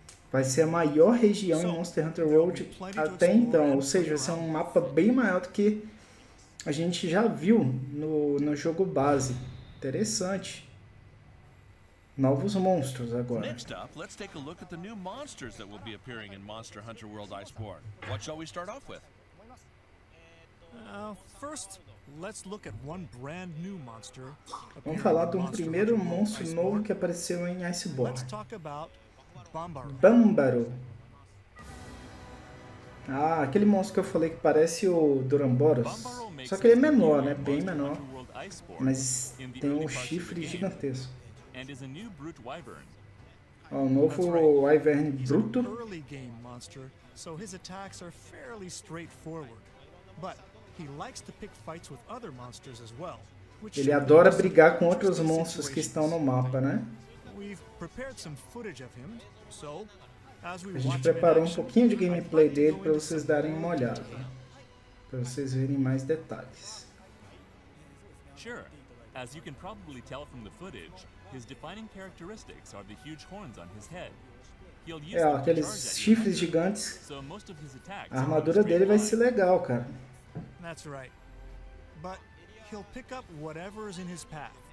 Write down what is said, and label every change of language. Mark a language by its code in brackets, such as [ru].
[pt] Vai ser a maior região em Monster Hunter World até então, ou seja, vai ser um mapa bem maior do que a gente já viu no jogo base. Interessante. Novos monstros agora. [en] Next up, let's take a look at the new monsters that will be appearing in Monster Hunter World Iceborne. What shall we start off with? First, let's look at one brand new monster. [pt] Vamos falar do primeiro monstro novo que apareceu em Iceborne. [en] Let's talk about Bambaro. [pt] Ah, aquele monstro que eu falei que parece o Duramboros. Só que ele é menor, né? Bem menor. Mas tem um chifre gigantesco. [en] And is a new brute wyvern. [pt] Oh, novo wyvern bruto. [en] He's an early game monster, so his attacks are fairly straightforward. But he likes to pick fights with other monsters as well. [pt] Ele adora brigar com outros monstros que estão no mapa, né? [en] We've prepared some footage of him, so as we watch. [pt] A gente preparou um pouquinho de gameplay dele para vocês darem uma olhada, para vocês verem mais detalhes. [en] Sure. As you can probably tell from the footage, his defining characteristics are the huge horns on his head. He'll use [pt] aqueles chifres gigantes. [en] So most of his attacks, [pt] a armadura dele vai ser legal, cara. [en] That's right. But he'll pick up whatever is in his path.